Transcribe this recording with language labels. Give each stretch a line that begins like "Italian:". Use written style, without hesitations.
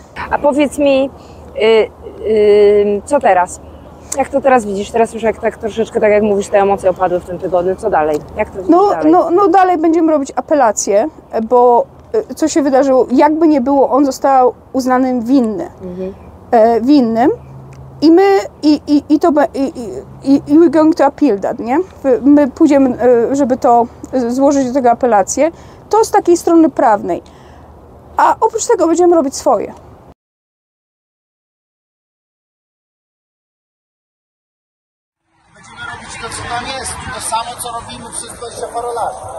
Polish: A powiedz mi, co teraz? Jak to teraz widzisz? Teraz już jak troszeczkę, tak jak mówisz, te emocje opadły w tym tygodniu. Co dalej? Jak to widzisz dalej? No dalej będziemy robić apelację, bo co się wydarzyło? Jakby nie było, on został uznany winny. Mhm. Winnym. I my, i
English: we're going to appeal that, nie?
Polish: My pójdziemy, żeby to złożyć do tego apelację. To z takiej strony prawnej. A oprócz tego będziemy robić swoje. Będziemy robić to, co tam jest. To samo, co robimy przez 20 parę lat.